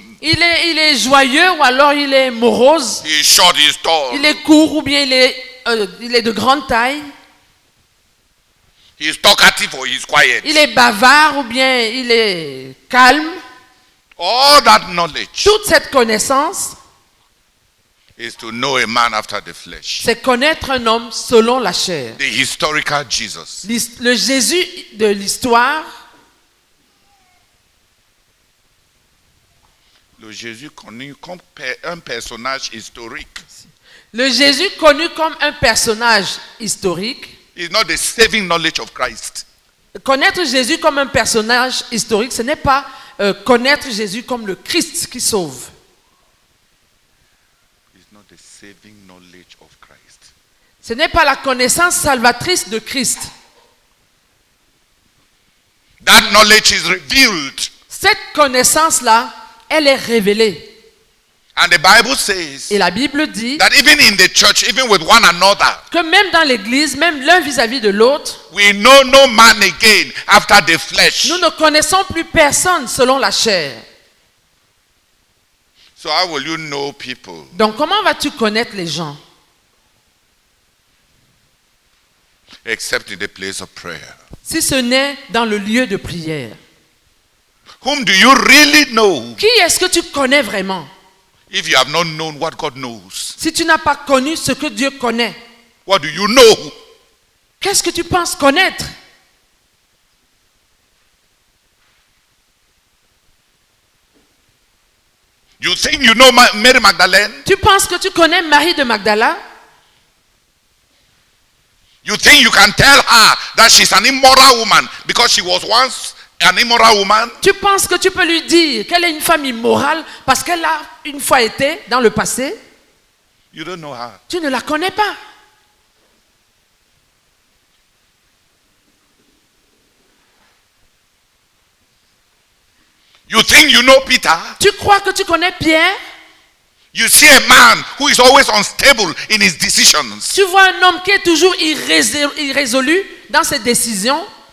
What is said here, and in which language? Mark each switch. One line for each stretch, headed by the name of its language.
French: Il est joyeux ou alors il est morose.
English: He is short, he is tall.
French: Il est court ou bien il est de grande taille.
English: He is talkative or he is quiet.
French: Il est bavard ou bien il est calme.
English: All that knowledge.
French: Toute cette connaissance.
English: Is to know a man after the flesh.
French: C'est connaître un homme selon la chair.
English: The historical Jesus.
French: Le Jésus de l'histoire. Le Jésus connu comme un personnage historique. Le Jésus connu comme un personnage historique.
English: Is not the saving knowledge of Christ.
French: Connaître Jésus comme un personnage historique, ce n'est pas connaître Jésus comme le Christ qui sauve.
English: Saving knowledge of Christ.
French: Ce n'est pas la connaissance salvatrice de Christ.
English: That knowledge is revealed.
French: Cette connaissance là, elle est révélée.
English: And the Bible says.
French: Et la Bible dit.
English: That even in the church, even with one another.
French: Que même dans l'église, même l'un vis-à-vis de l'autre.
English: We know no man again after the flesh.
French: Nous ne connaissons plus personne selon la chair.
English: So how will you know people?
French: Donc comment vas-tu connaître les gens?
English: Except in the place of prayer.
French: Si ce n'est dans le lieu de prière.
English: Whom do you really know?
French: Qui est-ce que tu connais vraiment?
English: If you have not known what God knows.
French: Si tu n'as pas connu ce que Dieu connaît.
English: What do you know?
French: Qu'est-ce que tu penses connaître?
English: You think you know Mary Magdalene?
French: Tu penses que tu connais Marie de Magdala?
English: You think you can tell her that she's an immoral woman because she was once an immoral woman?
French: Tu penses que tu peux lui dire qu'elle est une femme immorale parce qu'elle a une fois été dans le passé?
English: You don't know her.
French: Tu ne la connais pas.
English: You think you know Peter?
French: Tu crois que tu connais Pierre?
English: You see a man who is always unstable in his decisions.
French: Tu vois un homme qui est toujours irrésolu dans ses décisions.